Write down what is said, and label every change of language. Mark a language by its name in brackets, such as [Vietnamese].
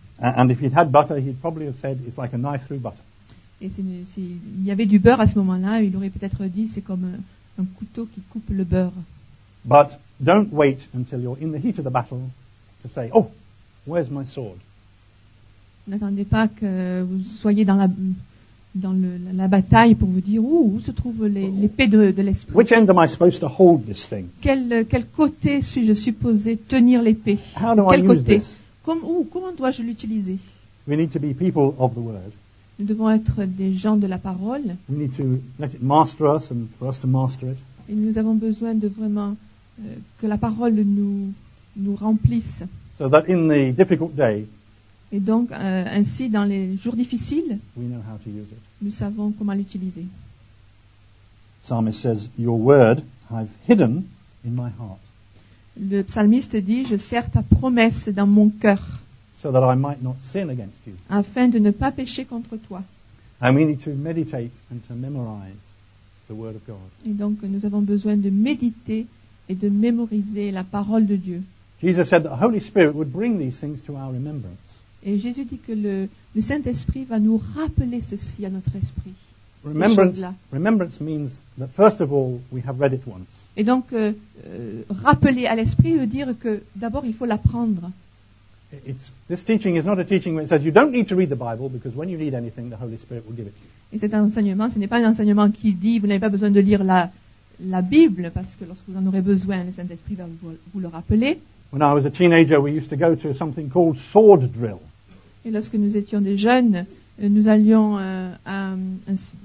[English] And if he'd had butter, he'd probably have said it's like a knife through butter. [French] Et s'il y avait du beurre à ce moment-là, il aurait peut-être dit c'est comme un couteau qui coupe le beurre. [English] But don't wait until you're in the heat of the battle to say, oh, where's my sword? [French] N'attendez pas que vous soyez dans la bataille pour vous dire où se trouve l'épée de l'esprit. [English] Which end am I supposed to hold this thing? [French] Quel côté suis-je supposé tenir l'épée? [English] How do [French] quel [English] I [French] côté? [English] Use this? [French] Comment dois-je l'utiliser? [English] We need to be people of the word. [French] Nous devons être des gens de la parole. [English] We need to let it master us and for us to master it. [French] Et nous avons besoin de vraiment que la parole nous remplisse. [English] So that in the difficult day. [French] Et donc ainsi dans les jours difficiles. [English] We know how to use it. [French] Nous savons comment l'utiliser. [English] Psalmist says, "Your word I've hidden in my heart." [French] Le psalmiste dit, je serre ta promesse dans mon cœur. [English] So that I might not sin against you. [French] Afin de ne pas pécher contre toi. [English] And we need to meditate and to memorize the word of God. [French] Et donc nous avons besoin de méditer et de mémoriser la parole de Dieu. [English] Jesus said that the Holy Spirit would bring these things to our remembrance. [French] Et Jésus dit que le Saint-Esprit va nous rappeler ceci à notre esprit. [English] Remembrance means that first of all we have read it once. [French] Et donc rappeler à l'esprit veut dire que d'abord il faut l'apprendre. [English] This teaching is not a teaching where it says you don't need to read the Bible because when you need anything the Holy Spirit will give it to you. [French] Et cet enseignement, ce n'est pas un enseignement qui dit vous n'avez pas besoin de lire la Bible parce que lorsque vous en aurez besoin le Saint-Esprit va vous le rappeler. [English] When I was a teenager we used to go to something called sword drill. [French] Et lorsque nous étions des jeunes, nous allions à un